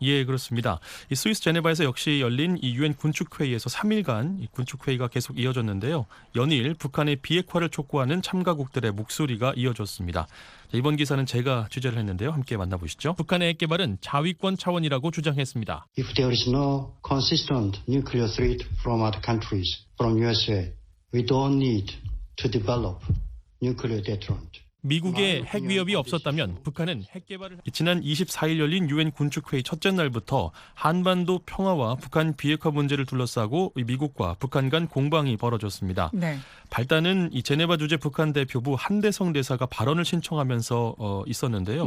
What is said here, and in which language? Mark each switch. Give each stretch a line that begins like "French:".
Korean: 예, 그렇습니다. 이 스위스 제네바에서 역시 열린 이 유엔 군축회의에서 3일간 이 군축회의가 계속 이어졌는데요. 연일 북한의 비핵화를 촉구하는 참가국들의 목소리가 이어졌습니다. 이번 기사는 제가 취재를 했는데요. 함께 만나보시죠. 북한의 핵개발은 자위권 차원이라고 주장했습니다.
English: If there is no consistent nuclear threat from other countries, from USA, we don't need to develop nuclear deterrent.
Korean: 미국의 핵 위협이 없었다면 북한은 핵 개발을 지난 24일 열린 유엔 군축회의 첫째 날부터 한반도 평화와 북한 비핵화 문제를 둘러싸고 미국과 북한 간 공방이 벌어졌습니다. 네. 발단은 이 제네바 주재 북한 대표부 한대성 대사가 발언을 신청하면서 있었는데요.